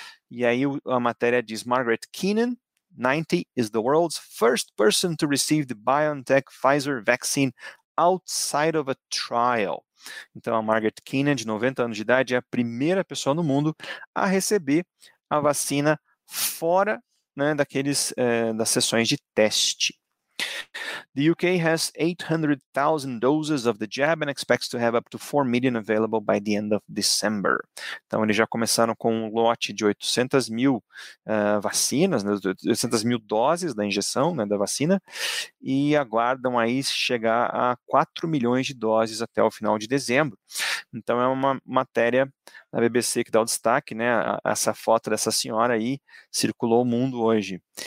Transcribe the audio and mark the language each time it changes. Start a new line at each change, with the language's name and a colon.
Portuguese: E aí a matéria diz:
English: Margaret Keenan, 90, is the world's first person to receive the BioNTech Pfizer vaccine outside of a trial.
Portuguese: Então a Margaret Keenan, de 90 anos de idade, é a primeira pessoa no mundo a receber a vacina fora, né, das sessões de teste.
English: The UK has 800,000 doses of the jab and expects to have up to 4 million available by the end of December.
Portuguese: Então, eles já começaram com um lote de 800 mil vacinas, né, 800 mil doses da injeção, né, da vacina, e aguardam aí chegar a 4 milhões de doses até o final de dezembro. Então, é uma matéria da BBC que dá o destaque, né, essa foto dessa senhora aí circulou o mundo hoje.